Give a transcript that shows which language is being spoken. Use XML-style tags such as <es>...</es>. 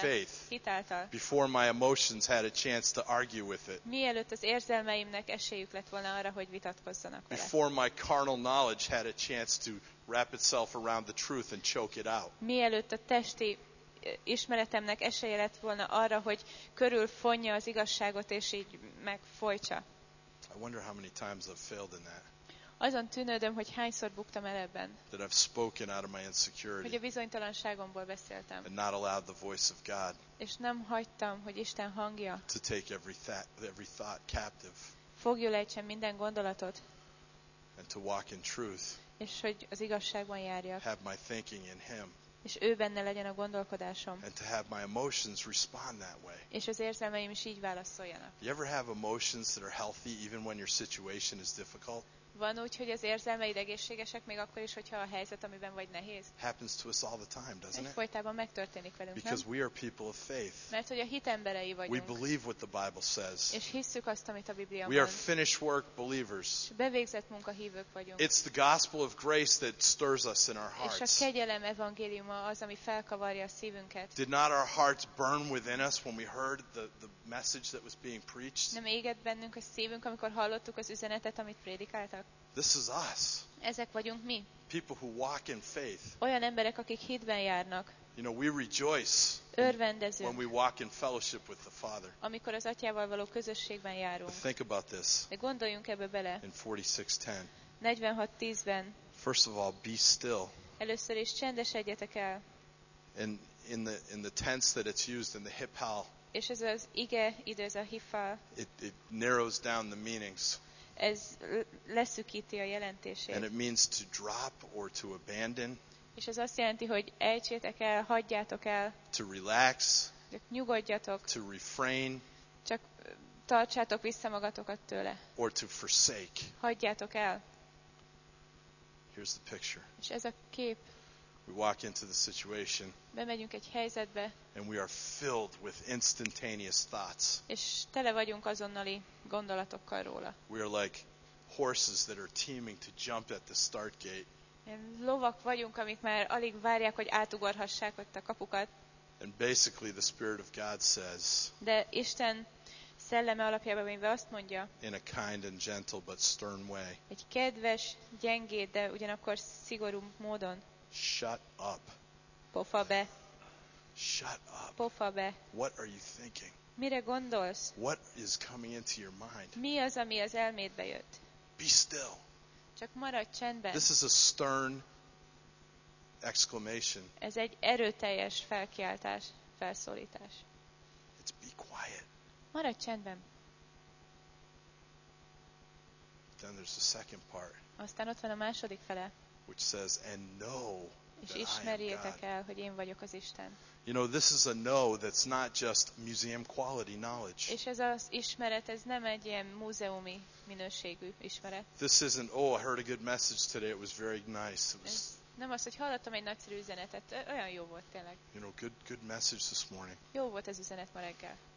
<en>By faith.</en> <hu>Hitáltal.</hu> <en>Before my emotions had a chance to argue with it.</en> <hu>Mielőtt az érzelmeimnek esélyük lett volna arra, hogy vitatkozzanak vele.</hu> <en>Before my carnal knowledge had a chance to wrap itself around the truth and choke it out.</en> <hu>Mielőtt a testi ismeretemnek esélye lett volna arra, hogy körül fonja az igazságot és így megfojtsa.</hu> <en>I wonder how many times I've failed in that.</en> <hu>Azon tűnődöm, hogy hányszor buktam el ebben.</hu> <en>That I've spoken out of my insecurity.</en> <hu>Hogy a bizonytalanságomból beszéltem.</hu> <en>And not allowed the voice of God.</en> <hu>És nem hagytam, hogy Isten hangja.</hu> <en>To take every thought captive.</en> <hu>Foglyulejtsen minden gondolatot.</hu> <en>And to walk in truth.</en> <hu>És hogy az igazságban járjak.</hu> <en>Have my thinking in Him.</en> <hu>És ő benne legyen a gondolkodásom.</hu> <en>And to have my emotions respond that way.</en> <hu>És az érzelmeim is így válaszoljanak.</hu> <en>You ever have emotions that are healthy even when your situation is difficult?</en> <hu>Van úgy, hogy az érzelmeid egészségesek még akkor is, hogyha a helyzet, amiben vagy nehéz.</hu> <en>Happens to us all the time, doesn't it?</en> <hu>Folytában megtörténik velünk,</hu> <en>because</en> <hu>nem?</hu> <en>We are people of faith.</en> <hu>Mert hogy a hit emberei vagyunk.</hu> <en>We believe what the Bible says.</en> <hu>És hisszük azt, amit a Biblia mond.</hu> <en>We are finished work believers.</en> <hu>Bevégzett munka hívők vagyunk.</hu> <en>It's the gospel of grace that stirs us in our hearts.</en> <hu>És a kegyelem evangéliuma az, ami felkavarja a szívünket.</hu> <en>Did not our hearts burn within us when we heard the message that was being preached?</en> <hu>Nem égett bennünk a szívünk, amikor hallottuk az üzenetet, amit prédikáltak?</hu> <en>This is us.</en> <hu>Ezek vagyunk mi.</hu> <en>People who walk in faith.</en> <hu>Olyan emberek, akik hitben járnak.</hu> <en>You know, we rejoice.</en> <hu>Örvendezünk.</hu> <en>When we walk in fellowship with the Father.</en> <hu>Amikor az Atyával való közösségben járunk.</hu> <en>But think about this.</en> <hu>De gondoljunk ebbe bele.</hu> <en>In 46:10.</en> <hu>46:10-ben.</hu> <en>First of all, be still.</en> <hu>Először is csendesedjetek el.</hu> <en>And in the tense that it's used in the hippal.</en> <hu>És ez az ige idő, ez a hippal.</hu> <en>It narrows down the meanings.</en> <hu>Ez leszűkíti a jelentését.</hu> <en>And it means to drop or to abandon.</en> <hu>És ez azt jelenti, hogy ejtsétek el, hagyjátok el.</hu> <en>To relax.</en> <hu>Csak nyugodjatok.</hu> <en>To refrain.</en> <hu>Csak tartsátok vissza magatokat tőle.</hu> <en>Or to forsake.</en> <hu>Hagyjátok el.</hu> <en>Here's the picture.</en> <hu>És ez a kép.</hu> <en>We walk into the situation.</en> <hu>Bemegyünk egy helyzetbe.</hu> <en>And we are filled with instantaneous thoughts.</en> <hu>És tele vagyunk azonnali gondolatokkal róla.</hu> <en>We are like horses that are teeming to jump at the start gate.</en> <hu>Lovak vagyunk, amik már alig várják, hogy átugorhassák ott a kapukat.</hu> <en>And basically the Spirit of God says.</en> <hu>De Isten szelleme alapjában mivel azt mondja.</hu> <en>In a kind and gentle but stern way.</en> <hu>Egy kedves, gyengéd, de ugyanakkor szigorú módon.</hu> <en>Shut up.</en> <hu>Pofa be.</hu> <en>Shut up.</en> <hu>Pofa be.</hu> <en>What are you thinking?</en> <hu>Mire gondolsz?</hu> <en>What is coming into your mind?</en> <hu>Mi az, ami az elmédbe jött?</hu> <en>Be still.</en> <hu>Csak maradj csendben.</hu> <en>This is a stern exclamation.</en> <hu>Ez egy erőteljes felkiáltás, felszólítás.</hu> <en>It's be quiet.</en> <hu>Maradj csendben.</hu> <en>Then there's the second part.</en> <hu>Aztán ott van a második fele.</hu> <en>Which says, and know</en> <hu>és ismerjétek el, hogy én vagyok az Isten.</hu> <en>You know, this is a know that's not just museum quality knowledge.</en> <hu>És ez az ismeret, ez nem egy ilyen múzeumi minőségű ismeret.</hu> <en>This isn't, oh, I heard a good message today, it was very nice, it was</en> <hu>Nem az, hogy hallottam egy nagyszerű üzenetet, olyan jó volt tényleg.</hu> <en>You know, good message this morning.</en> <hu>Jó volt ez üzenet ma reggel.</hu>